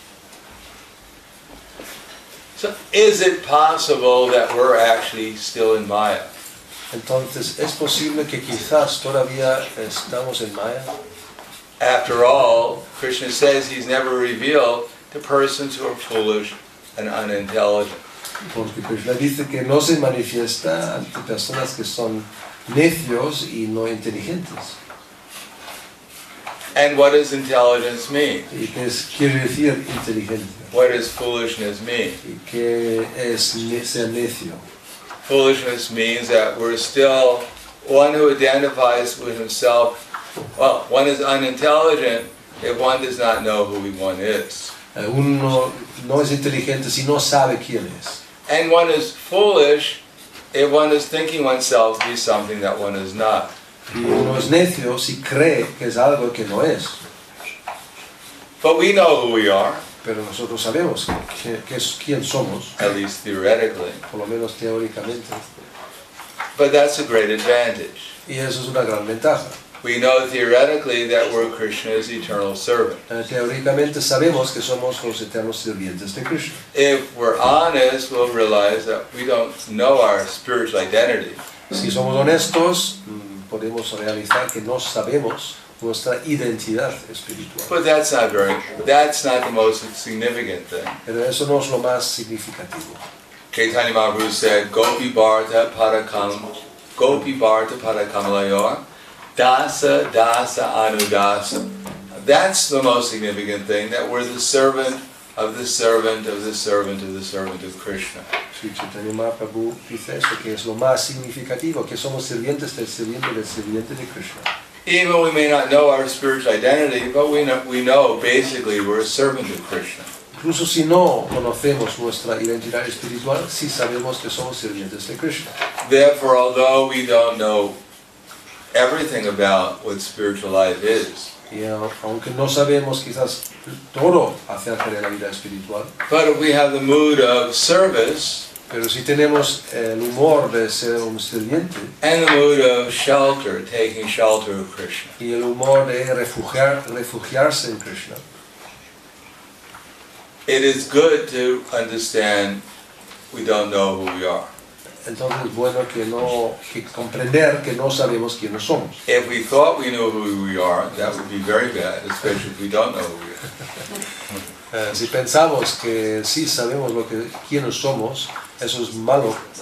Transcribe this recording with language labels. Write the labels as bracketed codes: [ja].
[en] inagotable. So is it possible that we're actually still in Maya? [es] Entonces, ¿es posible que quizás todavía estamos en Maya? [en] After all, Krishna says he's never revealed to persons who are foolish and unintelligent. [es] Porque Krishna dice que no se manifiesta ante personas que son necios y no inteligentes. [en] And what does intelligence mean? [es] ¿Y qué quiere decir inteligencia? [en] What does foolishness mean? [es] ¿Y qué es ser necio? [en] Foolishness means that we're still one who identifies with himself. Well, one is unintelligent if one does not know who one is. [es] Uno no es inteligente si no sabe quién es. [en] And one is foolish if one is thinking oneself to be something that one is not. [es] Y uno es necio si cree que es algo que no es. [en] But we know who we are. [es] Pero nosotros sabemos quién somos. [en] At least theoretically. [es] Por lo menos teóricamente. [en] But that's a great advantage. [es] Y eso es una gran ventaja. [en] We know theoretically that we're Krishna's eternal servant. [es] Teóricamente sabemos que somos los eternos sirvientes de Krishna. [en] If we're honest, we'll realize that we don't know our spiritual identity. [es] Si somos honestos, podemos realizar que no sabemos nuestra identidad espiritual. [en] But that's not the most significant thing. [es] Pero eso no es lo más significativo. [en] Chaitanya Mahaprabhu said, [sa] Gopi Bharata Parakamalayor. Dasa, dasa, anudasa. [en] That's the most significant thing, that we're the servant of the servant of the servant of the servant of Krishna. [es] Sri Chaitanya Mahaprabhu dice eso, que es lo más significativo, que somos sirvientes del sirviente del sirviente de Krishna. [en] Even we may not know our spiritual identity, but we know basically we're a servant of Krishna. [es] Incluso si no conocemos nuestra identidad espiritual, sí sabemos que somos sirvientes de Krishna. [en] Therefore, although we don't know everything about what spiritual life is. [es] Yeah, aunque no sabemos quizás todo acerca de la vida espiritual. [en] But if we have the mood of service, [es] Pero si tenemos el humor de ser un sirviente, [en] and the mood of shelter, taking shelter of Krishna, [es] y el humor de refugiarse en Krishna, [en] it is good to understand we don't know who we are. [es] Entonces es bueno que comprender que no sabemos quiénes somos. [en] If we thought we knew who we are, that would be very bad, especially if we don't know who we are. [es] Si pensamos que sí sabemos lo que quiénes somos, eso es malo.